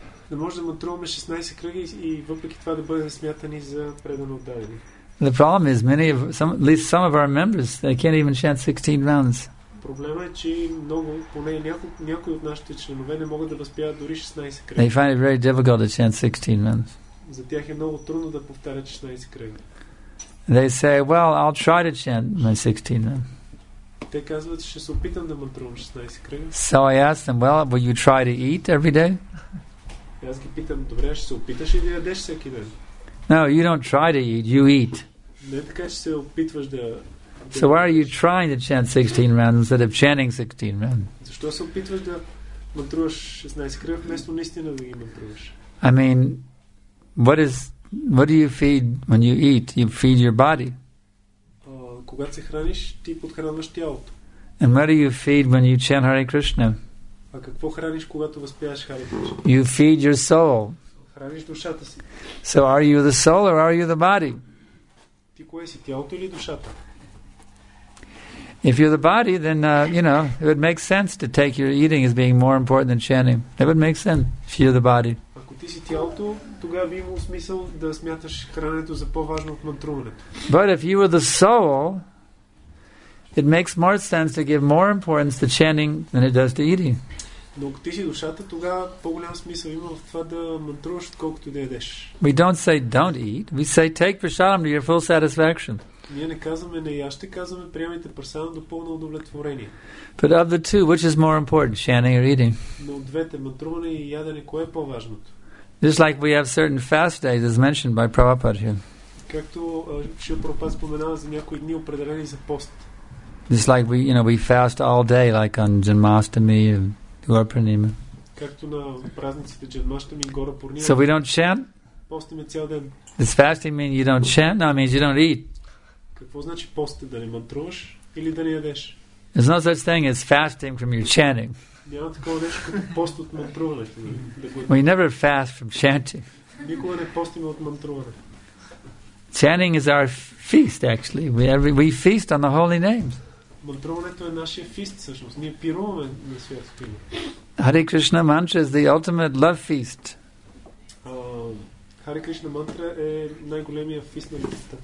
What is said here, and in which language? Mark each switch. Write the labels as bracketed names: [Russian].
[English] The problem is some of our members, they can't even chant 16 rounds. They find it very difficult to chant 16 rounds. [Bulgarian] За тях е много трудно да повтарят 16 кръга. [English] They say, well, I'll try to chant my 16 then. [Bulgarian] Те казват, ще се опитам да мантрувам 16 кръга. [English] So I ask them, well, will you try to eat every day? [Bulgarian] Аз ги питам, добре, ще се опиташ ли да ядеш всеки ден? [English] No, you don't try to eat, you eat. [Bulgarian] Не така, ще се опитваш да... [English] So why are you trying to chant 16 rounds instead of chanting 16 rounds? [Bulgarian] Защо се опитваш да мантруваш 16 кръга вместо наистина да ги мантруваш? [English] I mean, what do you feed when you eat? You feed your body. [Bulgarian] Когато се храниш, ти подхранваш тялото. [English] And what do you feed when you chant Hare Krishna? [Bulgarian] А какво храниш, когато възпяваш Hare [English] Krishna? You feed your soul. [Bulgarian] Храниш душата си. [English] So are you the soul or are you the body? [Bulgarian] Ти кое си, тялото или душата? [English] If you're the body, then, you know, it would make sense to take your eating as being more important than chanting. It would make sense if you're the body. [Bulgarian] Ако ти си тялото, тогава би имало смисъл да смяташ храненето за по-важно от мантруването. [English] But if you are the soul, it makes more sense to give more importance to chanting than it does to eating. [Bulgarian] Но ако ти си душата, тогава по-голям смисъл има в това да мантруваш, отколкото да ядеш. [English] We don't say don't eat. We say take prasadam to your full satisfaction. [Bulgarian] Ние не казваме не яще, казваме приемайте прасадам до пълно удовлетворение. [English] But of the two, which is more important, chanting or eating? [Bulgarian] Но от двете, мантруване и ядене, кое е по-важното? [English] Just like we have certain fast days, as mentioned by Prabhupada here. [Bulgarian] Както Шрила Прабхупада споменава за някои дни определени за пост. [English] Just like we, you know, we fast all day, like on Janmashtami and Gaura Purnima. [Bulgarian] Както на празниците Janmashtami и Gaura Purnima. [English] So we don't chant? [Bulgarian] Постиме цял ден. [English] Does fasting mean you don't chant? No, it means you don't eat. [Bulgarian] Какво значи постът, да не мантруваш или да не ядеш? [English] There's no such thing as fasting from your chanting. [Bulgarian] Няма такова нещо като пост от мантруването. [English] We never fast from chanting. [Bulgarian] Никога не постим от мантруване. [English] Chanting is our feast, actually. We feast on the holy names. [Bulgarian] Мантруването е нашия фист, всъщност. Ние пируваме на святото име. [English] Hare Krishna mantra is the ultimate love feast. [Bulgarian] Hare Krishna mantra е най-големия фист на любовта.